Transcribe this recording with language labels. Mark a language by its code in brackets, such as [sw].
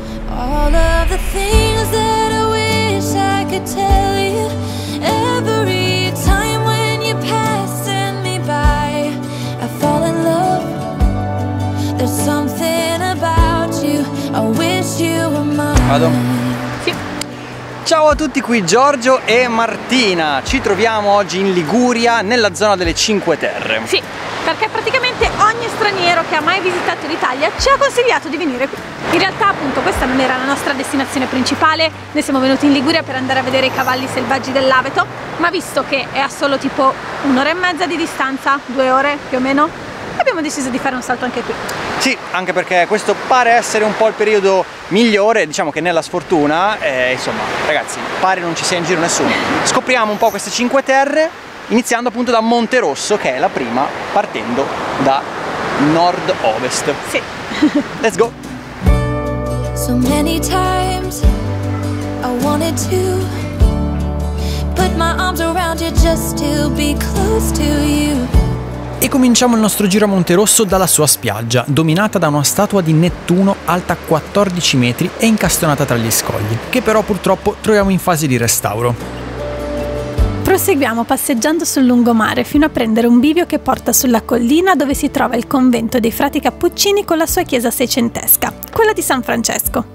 [en] All of the things that I wish I could tell you, every time when you're passing me by, I fall in love. There's something about you, I wish you were mine. Adam. [it] Ciao a tutti, qui Giorgio e Martina. Ci troviamo oggi in Liguria, nella zona delle Cinque Terre. Sì, perché praticamente ogni straniero che ha mai visitato l'Italia ci ha consigliato di venire qui. In realtà, appunto, questa non era la nostra destinazione principale. Noi siamo venuti in Liguria per andare a vedere i cavalli selvaggi dell'Aveto, ma visto che è a solo tipo un'ora e mezza di distanza, due ore più o meno, abbiamo deciso di fare un salto anche qui. Sì, anche perché questo pare essere un po' il periodo migliore, diciamo che nella sfortuna, insomma, ragazzi, pare non ci sia in giro nessuno. Scopriamo un po' queste Cinque Terre, iniziando appunto da Monte Rosso, che è la prima, partendo da nord-ovest. Sì. [en] Let's go! So many times I wanted to put my arms around you just to be close to you. [it] E cominciamo il nostro giro a Monte Rosso dalla sua spiaggia, dominata da una statua di Nettuno alta 14 metri e incastonata tra gli scogli, che però purtroppo troviamo in fase di restauro. Proseguiamo passeggiando sul lungomare fino a prendere un bivio che porta sulla collina dove si trova il convento dei frati cappuccini con la sua chiesa seicentesca, quella di San Francesco.